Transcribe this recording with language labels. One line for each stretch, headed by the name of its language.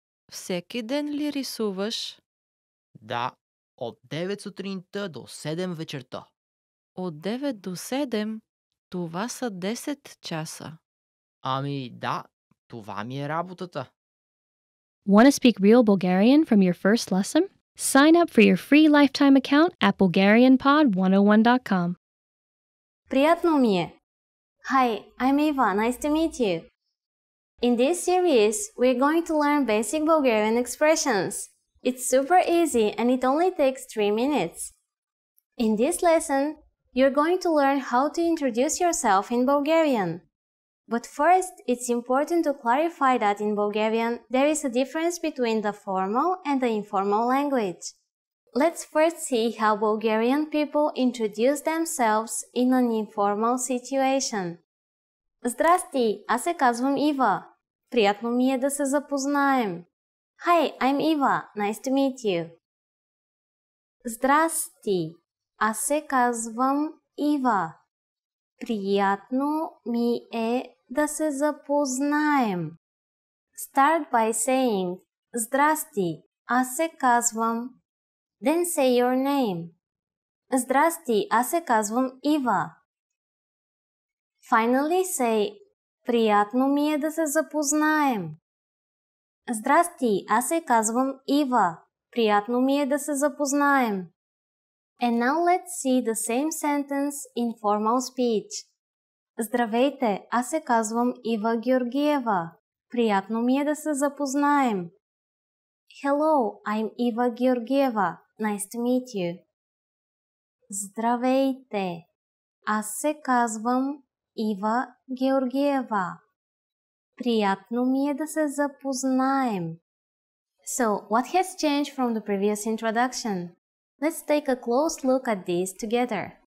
Bulgarian: Всеки ден ли рисуваш? Да, от 9 сутринта до 7 вечерта. От 9 до 7, това са 10 часа. Ами да, това ми е работата.
English: Want to speak real Bulgarian from your first lesson? Sign up for your free lifetime account at BulgarianPod101.com.
Bulgarian: Приятно ми е.
English: Hi, I'm Eva. Nice to meet you. In this series, we're going to learn basic Bulgarian expressions. It's super easy and it only takes 3 minutes. In this lesson, you're going to learn how to introduce yourself in Bulgarian. But first, it's important to clarify that in Bulgarian, there is a difference between the formal and the informal language. Let's first see how Bulgarian people introduce themselves in an informal situation.
Bulgarian: Здрасти, аз се казвам Ива. Приятно ми е да се запознаем.
English: Hi, I'm Eva. Nice to meet you.
Bulgarian: Здрасти, аз се казвам Ива. Приятно ми е да се запознаем.
English: Start by saying
Bulgarian: Здрасти, аз се казвам.
English: Then say your name.
Bulgarian: Здрасти, аз се казвам Ива.
English: Finally say
Bulgarian: Приятно ми е да се запознаем. Здрасти, аз се казвам Ива. Приятно ми е да се запознаем.
English: And now let's see the same sentence in formal speech.
Bulgarian: Здравейте, аз се казвам Ива Георгиева. Приятно ми е да се запознаем.
English: Hello, I'm Ива Георгиева. Nice to meet you.
Bulgarian: Здравейте, аз се казвам Ива Георгиева. Приятно ми е да се запознаем.
English: So, what has changed from the previous introduction? Let's take a close look at these together.